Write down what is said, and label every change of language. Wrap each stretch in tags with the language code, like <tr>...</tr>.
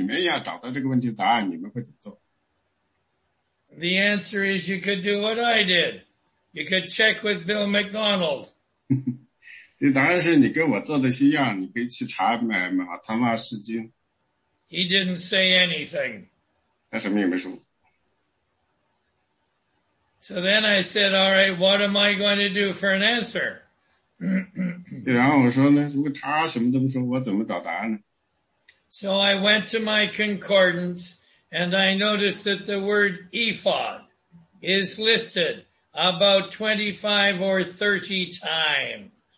<zh>因为我对你们的问题是，如果你们要找到这个问题的答案，你们会怎么做？</zh> <en>The answer is you could do what I did. You could check with Bill McDonald.</en> <zh>当然是你跟我做的是一样，你可以去查马汤纳士经。</zh> <en>He didn't say anything.</en> <zh>他什么也没说。</zh> <en>So then I said, all right, what am I going to do for an answer?</en> <zh>然后我说呢，如果他什么都不说，我怎么找答案呢？</zh> <en>So I went to my concordance, and I noticed that the word ephod is listed about 25 or 30 times.</en>